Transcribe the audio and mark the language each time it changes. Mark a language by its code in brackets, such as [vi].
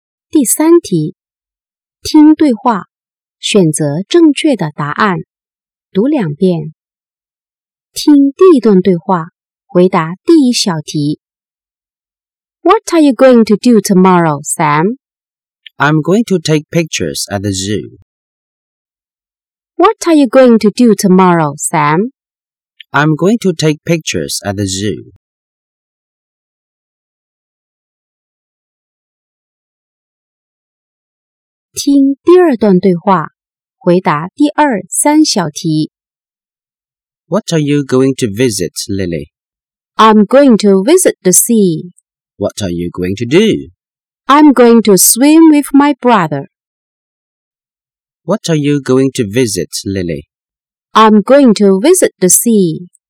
[zh] 第三题，听对话，选择正确的答案，读两遍。听第一段对话，回答第一小题。 [en] What are you going to do tomorrow, Sam? I'm going to take pictures at the zoo. What are you going to do tomorrow, Sam? I'm going to take pictures at the zoo. [zh] 听第二段对话，回答第二、三小题。 [en] What are you going to visit, Lily? I'm going to visit the sea. What are you going to do? I'm going to swim with my brother. What are you going to visit, Lily? I'm going to visit the sea.